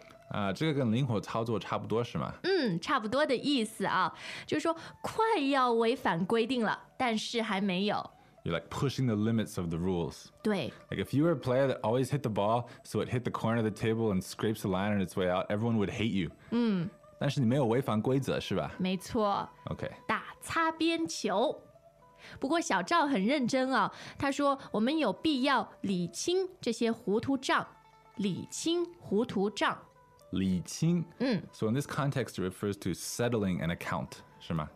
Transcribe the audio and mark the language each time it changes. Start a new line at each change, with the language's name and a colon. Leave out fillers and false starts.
Chinese: 啊，这个跟灵活操作差不多是吗？嗯，差不多的意思啊，就是说快要违反规定了，但是还没有。
English: You're like pushing the limits of the rules.
Chinese: 对。
English: Like if you were a player that always hit the ball, so it hit the corner of the table and scrapes the line on its way out, everyone would hate you.
Chinese: 嗯。但是你没有违反规则是吧？没错。
English: OK。
Chinese: 打擦边球。不过小赵很认真啊，他说我们有必要理清这些糊涂账，理清糊涂账。理清、嗯、
English: So in this context it refers to settling an account
Chinese: 是吗？